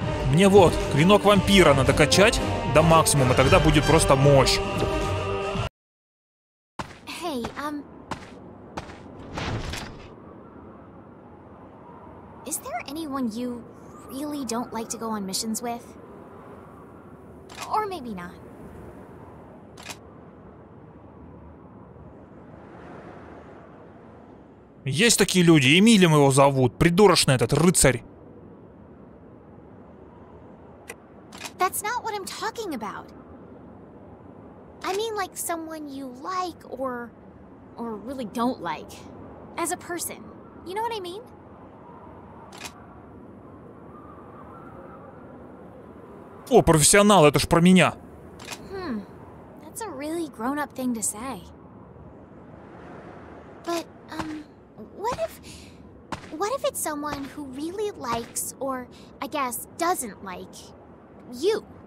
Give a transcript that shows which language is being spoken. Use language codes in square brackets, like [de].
[ru] Мне вот, клинок вампира надо качать до максимума, тогда будет просто мощь. [en] Hey, Is there anyone you really don't like to go on missions with? Or maybe not. [ru] Есть такие люди, Эмилием его зовут, придурочный этот рыцарь. [en] That's not what I'm talking about. I mean like someone you like or really don't like as a person. You know what I mean? [ru] О, профессионал, это ж про меня. [en] That's a really grown-up thing to say. But what if it's someone who really likes or I guess doesn't like you?